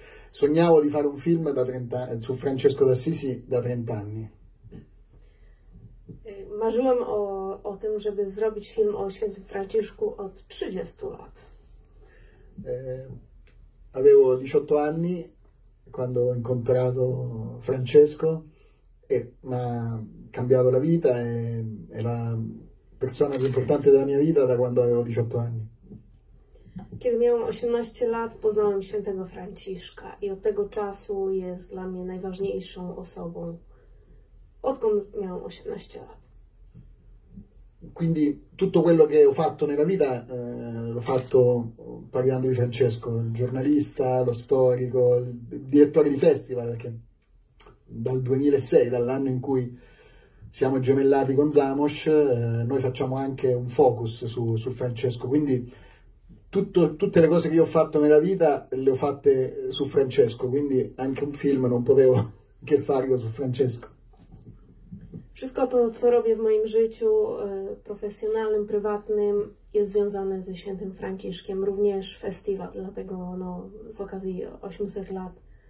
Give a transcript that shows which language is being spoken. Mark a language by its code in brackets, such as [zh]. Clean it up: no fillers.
[it] Sognavo di fare un film da 30, su Francesco d'Assisi da 30 anni. E [pl] marzyłam o tym, żeby zrobić film o świętym Franciszku od 30 lat. [it] Avevo 18 anni quando ho incontrato Francesco, mi ha cambiato la vita, è la persona più importante della mia vita da quando avevo 18 anni. [pl] Kiedy miałam 18 lat, poznałam świętego Franciszka i od tego czasu jest dla mnie najważniejszą osobą, odkąd miałam 18 lat. [it] Quindi tutto quello che ho fatto nella vita l'ho fatto parlando di Francesco, il giornalista, lo storico, il direttore di festival, perché dal 2006, dall'anno in cui siamo gemellati con Zamosh, noi facciamo anche un focus su Francesco, quindi tutte le cose che io ho fatto nella vita le ho fatte su Francesco, quindi anche un film non potevo che farlo su Francesco. [pl] Wszystko to, co robię w moim życiu profesjonalnym, prywatnym, jest związane ze świętym Franciszkiem, również festiwal, dlatego no, z okazji 800 lat.